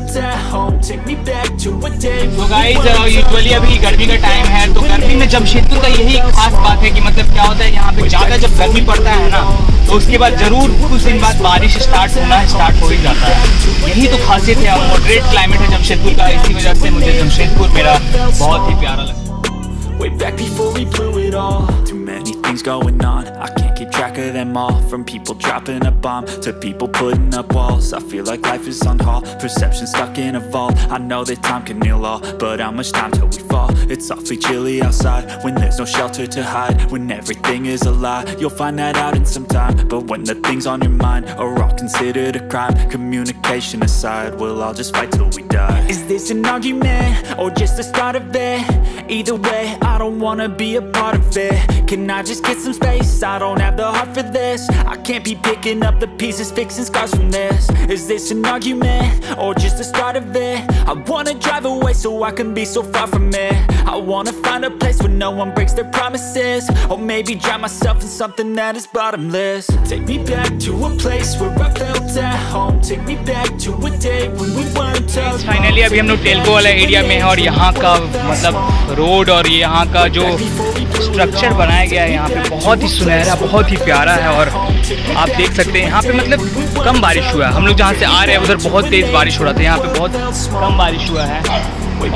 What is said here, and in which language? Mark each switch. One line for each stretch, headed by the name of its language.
Hindi: तो guys usually अभी गर्मी का टाइम है, तो गर्मी में जमशेदपुर का यही खास बात है कि मतलब क्या होता है यहाँ पे, ज्यादा जब गर्मी पड़ता है ना, तो उसके बाद जरूर कुछ दिन बाद बारिश स्टार्ट होना स्टार्ट हो ही जाता है। यही तो खासियत है, मॉडरेट क्लाइमेट है जमशेदपुर का, इसी वजह से मुझे जमशेदपुर मेरा बहुत ही प्यारा लगता है।
English: Way back before we blew it all, too many things going on, I can't keep track of them all, from people dropping a bomb, to people putting up walls, I feel like life is on hold, perception stuck in a vault, I know that time can heal all, but how much time till we fall, it's awfully chilly outside, when there's no shelter to hide, when everything is a lie, you'll find that out in some time, but when the things on your mind, are all considered a crime, communication aside, we'll all just fight till we die. Is this an argument, or just the start of it, either way, I don't wanna be a part of it. Can I just get some space? I don't have the heart for this. I can't be picking up the pieces, fixing scars from this. Is this an argument or just the start of it? I wanna drive away so I can be so far from it. I wanna find a place where no one breaks their promises, or maybe drown myself in something that is bottomless. Take me back to a place where I felt at home. Take me back to a day when we weren't alone.
Hindi: Finally, अभी हम लोग टेल्को वाला area में हैं, और यहाँ का मतलब रोड और यहाँ का जो स्ट्रक्चर बनाया गया है यहाँ पे, बहुत ही सुनहरा, बहुत ही प्यारा है। और आप देख सकते हैं यहाँ पे मतलब कम बारिश हुआ है, हम लोग जहाँ से आ रहे हैं उधर बहुत तेज़ बारिश हो रहा था, यहाँ पे बहुत कम बारिश हुआ है।